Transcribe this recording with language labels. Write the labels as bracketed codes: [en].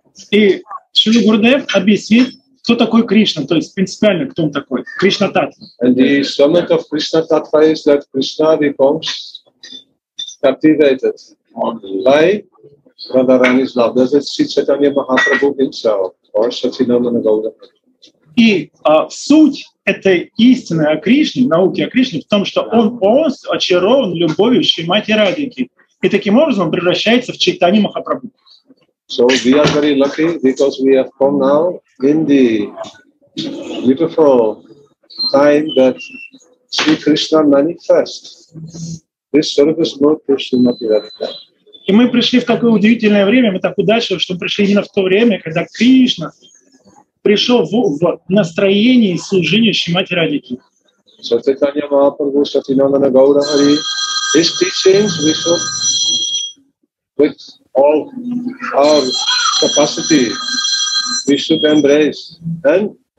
[ru] И Шрила Гурудев объяснит, кто такой Кришна, то есть принципиально, кто он такой, Кришна Таттва. [en] And the summit of Krishna Tattva is that Krishna becomes captivated by Radharani's love. That is Sri Chaitanya Mahaprabhu himself or Satyananda Gaudama. [ru] И суть этой истины о Кришне, науки о Кришне, в том, что он полностью очарован любовью Шримати Радхики. И таким образом он превращается в Чайтанью Махапрабху. [en] So we are very lucky because we have come now in the beautiful time that Sri Krishna manifests this service mode to Shrimati Radhika. [ru] И мы пришли в такое удивительное время, мы так удачливы, что мы пришли именно в то время, когда Кришна пришел в настроении служения Шримати Радхики. [en] So Chaitanya Mahaprabhu, Satyananda Gaura Hari, his teachings we should with all our capacity we should embrace and